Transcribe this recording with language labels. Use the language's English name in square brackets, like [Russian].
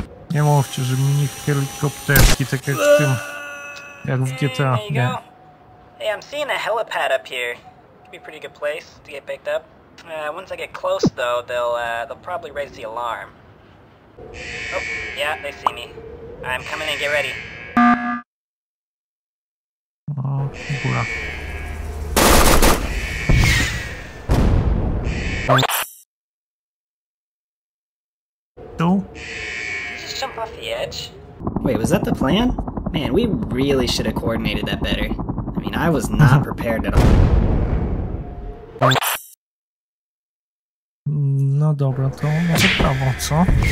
[Polish] Nie mówcie, że mini helikopterki, tak jak w tym, jak w GTA, nie. [English] Hey, I'm seeing a helipad up here. Could be a pretty good place to get picked up. Once I get close, though, they'll probably raise the alarm. Oh, yeah, they see me. I'm coming in, get ready. [Polish] O, góra. Tu? [English] Off the edge. Wait, was that the plan? Man, we really should have coordinated that better. I mean, I was not prepared at all. [Polish] No dobra, to może prawo, co?